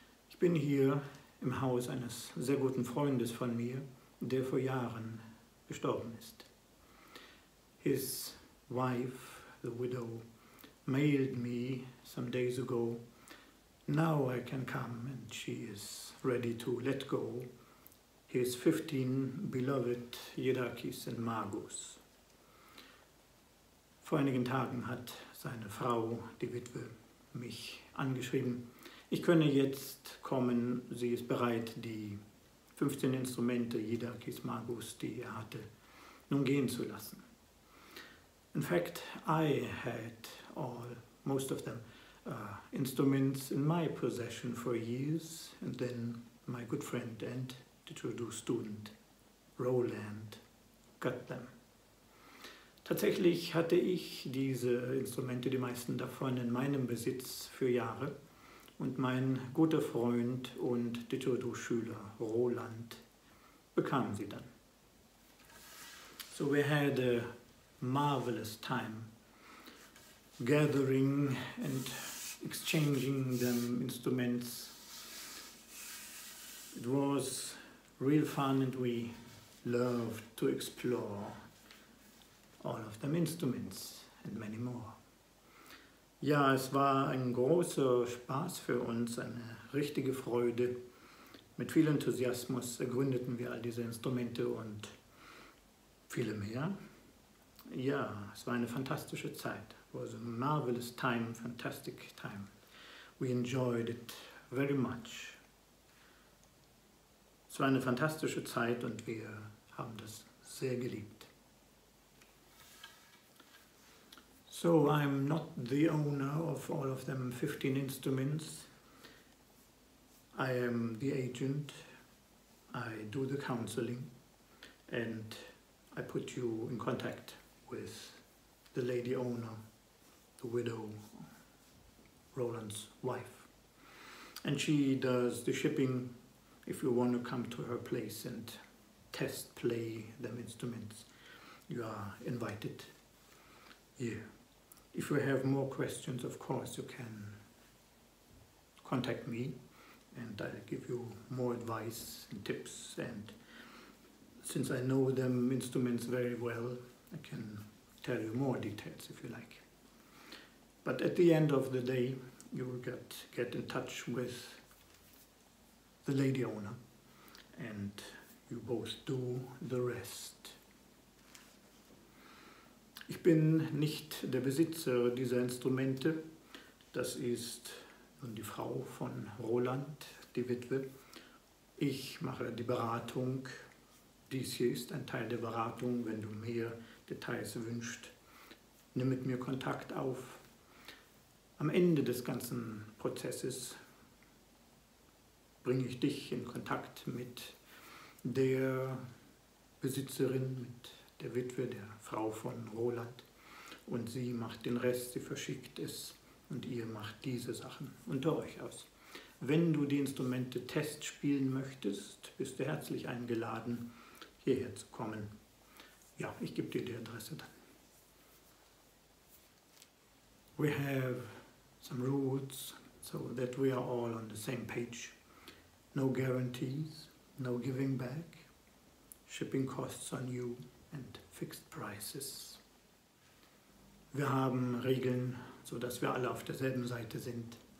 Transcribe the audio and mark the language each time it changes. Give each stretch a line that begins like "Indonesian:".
German: Ich bin hier im Haus eines sehr guten Freundes von mir, der vor Jahren gestorben ist.
English: His wife, the widow, mailed me some days ago. Now I can come and she is ready to let go his 15 beloved Yidakis and Magos.
German: Vor einigen Tagen hat seine Frau, die Witwe, mich angeschrieben. Ich könne jetzt kommen, sie ist bereit, die 15 Instrumente Yidakis Magus, die er hatte, nun gehen zu lassen.
English: In fact, I had most of them instruments in my possession for years, and then my good friend and Didgeridoo student Roland got them.
German: Tatsächlich hatte ich diese Instrumente, die meisten davon, in meinem Besitz für Jahre und mein guter Freund und Didgeridoo-Schüler Roland bekam sie dann.
English: So we had a marvelous time gathering and exchanging them instruments. It was real fun and we loved to explore all of them instruments and many more.
German: Ja, es war ein großer Spaß für uns, eine richtige Freude. Mit viel Enthusiasmus ergründeten wir all diese Instrumente und viele mehr. Ja, es war eine fantastische Zeit.
English: It was a marvelous time, fantastic time. We enjoyed it very much.
German: Es war eine fantastische Zeit und wir haben das sehr geliebt.
English: So I'm not the owner of all of them 15 instruments. I am the agent. I do the counseling and I put you in contact with the lady owner, the widow, Roland's wife. And she does the shipping if you want to come to her place and test play them instruments. You are invited. Yeah. If you have more questions, of course, you can contact me and I'll give you more advice and tips. And since I know them instruments very well, I can tell you more details if you like. But at the end of the day, you will get in touch with the lady owner and you both do the rest.
German: Ich bin nicht der Besitzer dieser Instrumente, das ist nun die Frau von Roland, die Witwe. Ich mache die Beratung, dies hier ist ein Teil der Beratung, wenn du mehr Details wünschst, nimm mit mir Kontakt auf. Am Ende des ganzen Prozesses bringe ich dich in Kontakt mit der Besitzerin, mit der Witwe, der Frau von Roland, und sie macht den Rest, sie verschickt es und ihr macht diese Sachen unter euch aus. Wenn du die Instrumente testspielen möchtest, bist du herzlich eingeladen, hierher zu kommen. Ja, ich gebe dir die Adresse dann.
English: We have some rules, so that we are all on the same page. No guarantees, no giving back, shipping costs on you and fixed prices.
German: Wir haben Regeln, so dass wir alle auf derselben Seite sind.